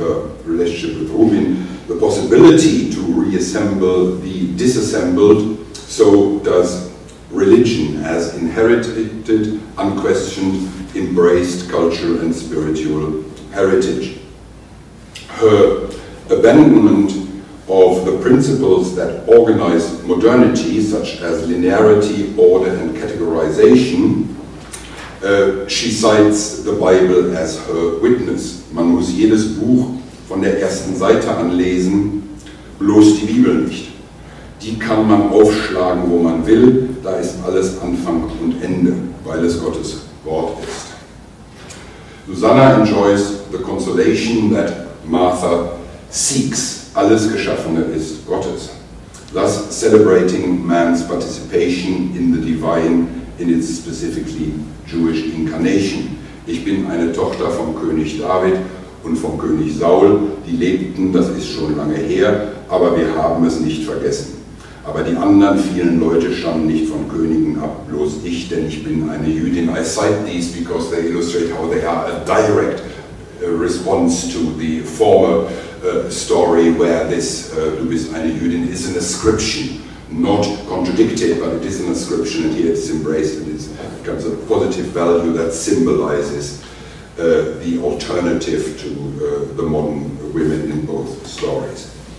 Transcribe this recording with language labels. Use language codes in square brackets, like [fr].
[en] her relationship with Rubin, the possibility to reassemble the disassembled, so does religion as inherited, unquestioned, embraced cultural and spiritual heritage. Her abandonment of the principles that organize modernity, such as linearity, order, and categorization, she cites the Bible as her witness. [de] Man muss jedes Buch von der ersten Seite anlesen, bloß die Bibel nicht. Die kann man aufschlagen, wo man will, da ist alles Anfang und Ende, weil es Gottes Wort ist. [en] Susanna enjoys the consolation that Martha seeks. [de] Alles Geschaffene ist Gottes. [en] Thus celebrating man's participation in the divine in its specifically Jewish incarnation. [de] Ich bin eine Tochter vom König David und vom König Saul. Die lebten, das ist schon lange her, aber wir haben es nicht vergessen. Aber die anderen vielen Leute stammen nicht von Königen ab, bloß ich, denn ich bin eine Jüdin. [en] I cite these because they illustrate how they are a direct response to the former story where this [de] du bist eine Jüdin [en] is an ascription, not contradicted, but it is an ascription, and here it is embraced, and it becomes a positive value that symbolizes the alternative to the modern women in both stories.